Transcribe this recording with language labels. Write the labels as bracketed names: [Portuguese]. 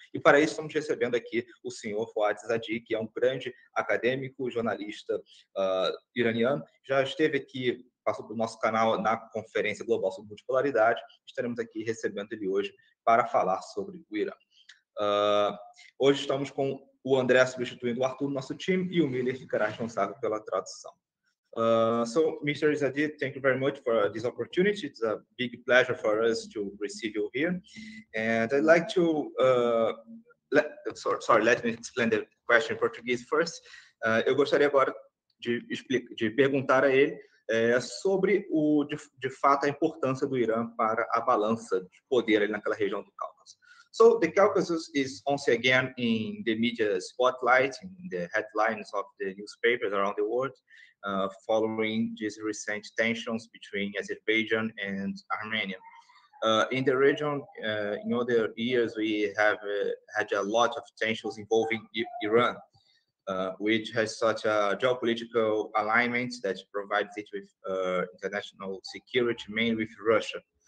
[Portuguese] E para isso, estamos recebendo aqui o senhor Fuad Zadi, que é um grande acadêmico, jornalista iraniano, já esteve aqui, passou pelo nosso canal na Conferência Global sobre Multipolaridade, estaremos aqui recebendo ele hoje para falar sobre o Irã. Hoje estamos com o André substituindo o Arthur no nosso time e o Miller ficará responsável pela tradução. [English] So, Mr. Zadi, thank you very much for this opportunity. It's a big pleasure for us to receive you here. And I'd like to, let me explain the question in Portuguese first. [Portuguese] Eu gostaria agora de perguntar a ele sobre, de fato, a importância do Irã para a balança de poder ali naquela região do Cáucaso. [English] So, the Caucasus is once again in the media spotlight, in the headlines of the newspapers around the world, following these recent tensions between Azerbaijan and Armenia. In the region, in other years, we have had a lot of tensions involving Iran, which has such a geopolitical alignment that provides it with international security, mainly with Russia.